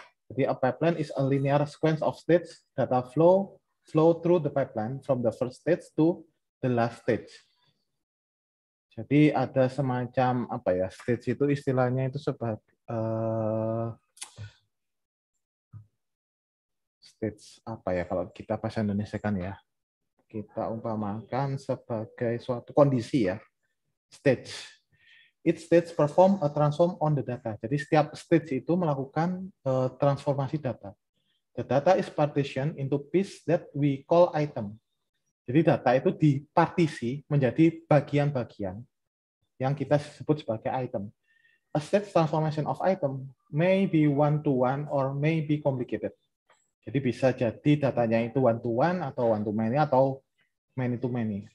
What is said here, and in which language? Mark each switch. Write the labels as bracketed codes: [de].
[en] Jadi a pipeline is a linear sequence of states data flow through the pipeline from the first stage to the last stage. [id] Jadi ada semacam apa ya, stage itu istilahnya itu stage apa ya kalau kita bahasa Indonesia kan ya. Kita umpamakan sebagai suatu kondisi ya. Stage. [en] Each stage perform a transform on the data. [id] Jadi setiap stage itu melakukan transformasi data. [en] The data is partitioned into piece that we call item. [id] Jadi data itu dipartisi menjadi bagian-bagian yang kita sebut sebagai item. [en] A state transformation of item may be one-to-one or may be complicated. [id] Jadi bisa jadi datanya itu one-to-one atau one-to-many atau many-to-many.